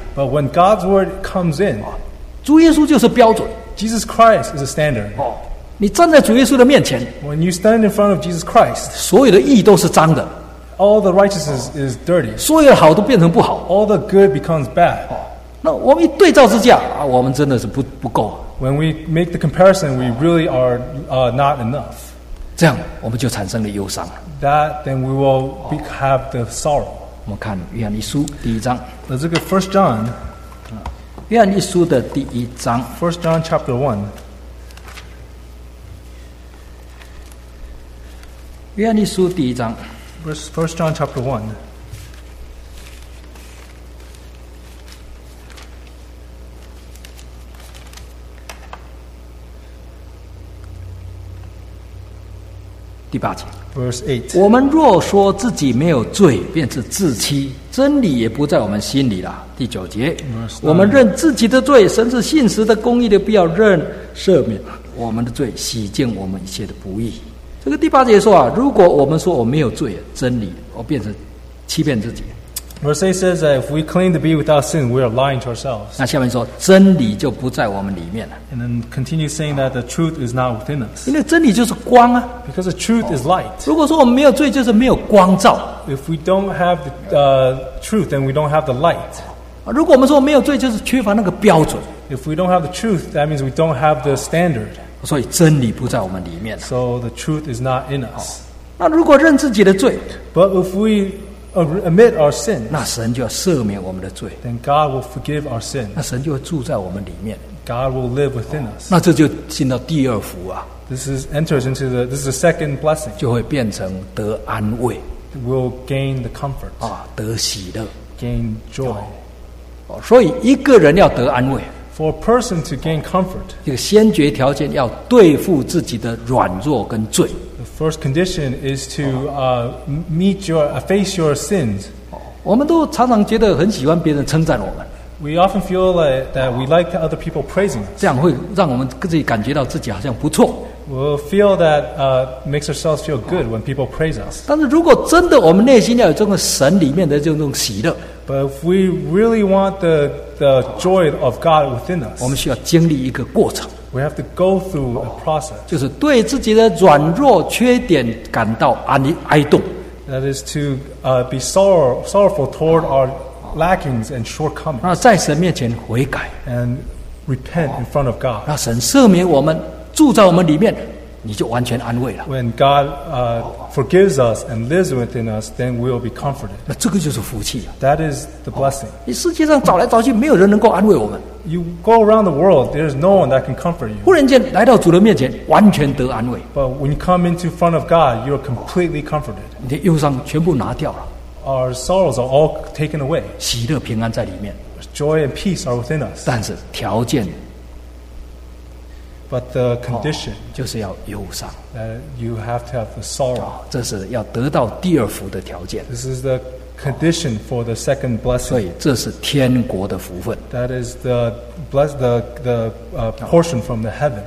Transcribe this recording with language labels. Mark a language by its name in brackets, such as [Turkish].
[English] but when God's word comes in, [Chinese] 主耶稣就是标准, [English] Jesus Christ is a standard. [Chinese] 你站在主耶稣的面前, [English] when you stand in front of Jesus Christ, [Chinese] 所有的义都是脏的, [English] all the righteousness is dirty. [Chinese] 所有的好都变成不好, [English] all the good becomes bad. [Chinese] 那我们一对照之下, 啊, 我们真的是不够, [English] when we make the comparison, we really are not enough. [Chinese] 这样我们就产生了忧伤, [English] that then we will have the sorrow. [Chinese] 我们看约翰一书第一章, 这个 [English] 1 John, [Chinese] 约翰一书的第一章, [English] First John chapter 1. [Chinese] 约翰一书第一章, [English] First John chapter 1. [Chinese] 第八节, [English] Verse 8. [Chinese] 我们若说自己没有罪, 便是自欺, 真理也不在我们心里了。第九节, 我们认自己的罪, 神是信实的公义的, 必要认赦免我们的罪, 洗净我们一切的不义。这个第八节说啊, 如果我们说我没有罪, 真理, 我便是欺骗自己。 [English] Verse 8 says that if we claim to be without sin, we are lying to ourselves. [Chinese] 那下面说, 真理就不在我们里面了。 [English] And then continue saying that the truth is not within us. [Chinese] 因为真理就是光啊。 [English] Because the truth is light. [Chinese] 如果说我们没有罪就是没有光照。 [English] If we don't have the truth, then we don't have the light. [Chinese] 如果我们说我们没有罪就是缺乏那个标准。 [English] If we don't have the truth, that means we don't have the standard. [Chinese] 所以真理不在我们里面了。 [English] So the truth is not in us. [Chinese] 那如果认自己的罪, [English] but if we admit our sins, [Chinese] 那神就要赦免我们的罪, [English] then God will forgive our sins. [Chinese] 那神就会住在我们里面, [English] God will live within us. [Chinese] 那这就进到第二福啊, [English] this is the second blessing. [Chinese] 就会变成得安慰, [English] will gain the comfort. [Chinese] 啊, 得喜乐, [English] gain joy. [Chinese] 哦, 所以一个人要得安慰, [English] for a person to gain comfort, [Chinese] 一个先决条件要对付自己的软弱跟罪。 [English] The first condition is to face your sins. [Chinese] 我们都常常觉得很喜欢别人称赞我们。 [English] We often feel like that we like other people praising us. [Chinese] 这样会让我们自己感觉到自己好像不错。 [English] We'll feel that makes ourselves feel good when people praise us. [Chinese] 但是如果真的我们内心要有这种神里面的这种喜乐, [English] but if we really want the joy of God within us, [Chinese] 我们需要经历一个过程。 [English] We have to go through a process. [Chinese] 就是对自己的软弱缺点感到哀动。 [English] That is to be sorrowful toward our lackings and shortcomings. [Chinese] 那在神面前悔改, [English] and repent in front of God. [Chinese] 那神赦免我们,住在我们里面, 你就完全安慰了。 [English] When God forgives us and lives within us, then we will be comforted. [Chinese] 那这个就是福气啊。 [English] That is the blessing. [Chinese] 你世界上找来找去, 没有人能够安慰我们。 [English] You go around the world, there is no one that can comfort you. [Chinese] 忽然间来到主的面前, 完全得安慰。 [English] But when you come into front of God, you are completely comforted. [Chinese] 你的忧伤全部拿掉了。 [English] Our sorrows are all taken away. [Chinese] 喜乐平安在里面。 [English] Joy and peace are within us. [Chinese] 但是条件, [English] but the condition, [Chinese] 就是要忧伤, [English] that you have to have the sorrow. [Chinese] 这是要得到第二福的条件。 [English] This is the condition for the second blessing. [Chinese] 所以这是天国的福分。 [English] That is the portion from the heaven.